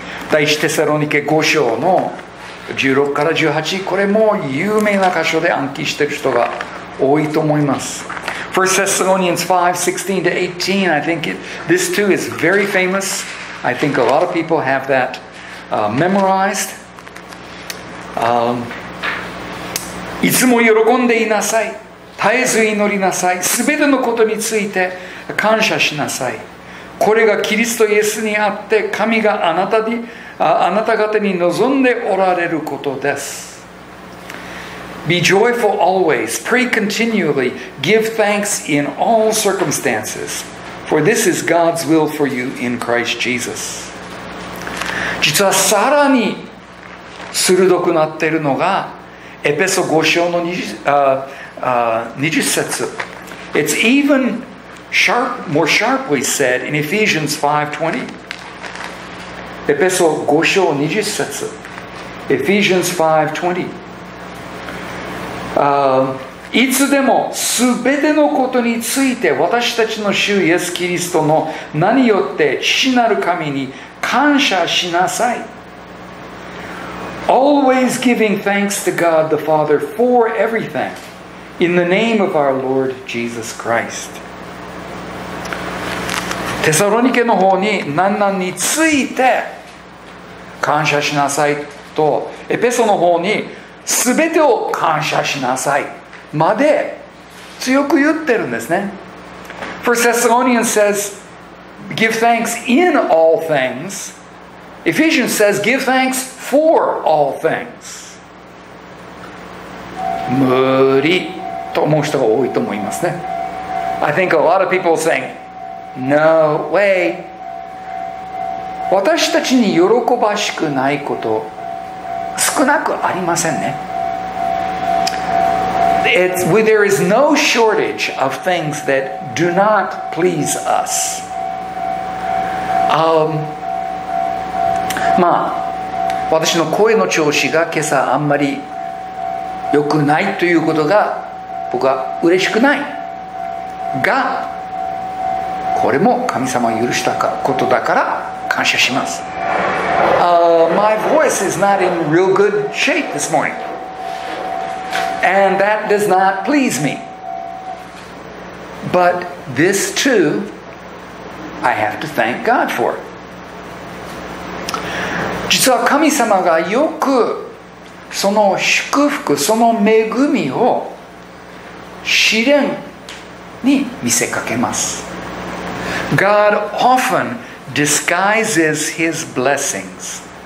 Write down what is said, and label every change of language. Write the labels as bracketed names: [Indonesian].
[Japanese] 第1テサロニケ5章の 16から18、これも有名な箇所で暗記している人が多いと思います。 [English] 1 Thessalonians 5, 16 to 18, I think this too is very famous. I think a lot of people have that memorized. [Japanese] いつも喜んでいなさい。絶えず祈りなさい。すべてのことについて感謝しなさい。これがキリストイエスにあって神があなた方に望んでおられることです。 [English] Be joyful always, pray continually, give thanks in all circumstances, for this is God's will for you in Christ Jesus. [Japanese] 実はさらに鋭くなっているのがエペソ5章の20節。 [English] It's even sharp, more sharply said in Ephesians 5:20. [Japanese] エペソ5章20節。 [English] Ephesians 5:20. [Japanese] いつでもすべてのことについて私たちの主イエス・キリストの名によって父なる神に感謝しなさい。 [English] Always giving thanks to God the Father for everything in the name of our Lord Jesus Christ. [Japanese] テサロニケの方に何々について感謝しなさいとエペソの方に全てを感謝しなさいまで強く言ってるんですね。 [English] 1 Thessalonians says give thanks in all things. Ephesians says give thanks for all things. [Japanese] 無理と思う人が多いと思いますね。 [English] I think a lot of people are saying no way. [Japanese] 私たちに喜ばしくないこと少なくありませんね。 [English] There is no shortage of things that do not please us. [Japanese] まあ、私の声の調子が今朝あんまり良くないということが僕は嬉しくない。が、これも神様が許したことだから感謝します。 [English] My voice is not in real good shape this morning. And that does not please me. But this too, I have to thank God for. [Japanese] 実は神様がよくその祝福、その恵みを試練に見せかけます。 [English] God often disguises his blessings.